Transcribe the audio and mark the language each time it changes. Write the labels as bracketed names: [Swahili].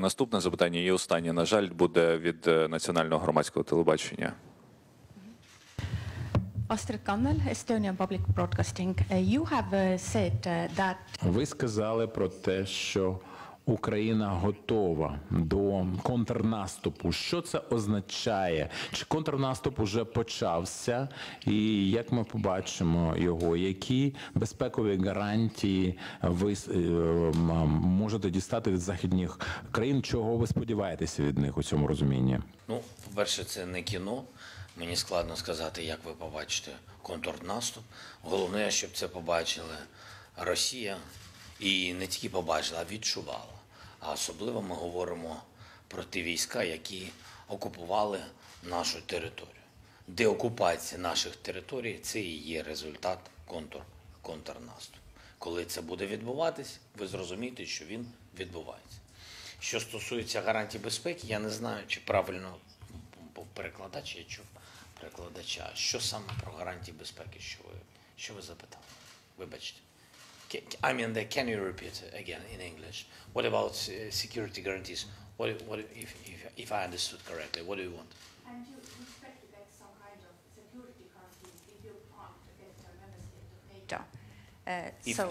[Ukrainian] Наступне запитання і останнє, на жаль, буде від Національного громадського телебачення. [English] Astrid Kandel, Estonian Public Broadcasting. You have said that... [Ukrainian] Ви сказали про те, що Україна готова до контрнаступу. Що це означає? Чи контрнаступ уже почався? І як ми побачимо його? Які безпекові гарантії ви можете дістати від західних країн? Чого ви сподіваєтеся від них у цьому розумінні? Ну, по-перше, це не кіно. Мені складно сказати, як ви побачите контрнаступ. Головне, щоб це побачили Росія І не тільки побачила, а відчувала. А особливо ми говоримо про ті війська, які окупували нашу територію. Деокупація наших територій – це і є результат контрнаступу. Коли це буде відбуватись, ви зрозумієте, що він відбувається. Що стосується гарантій безпеки, я не знаю, чи правильно перекладач, я чув перекладача. Що саме про гарантії безпеки, що ви запитали? Вибачте. [English] I mean, can you repeat again in English? What about security guarantees? What if I understood correctly, what do you want? And you expect to get some kind of security guarantees if you can't get a member state of NATO.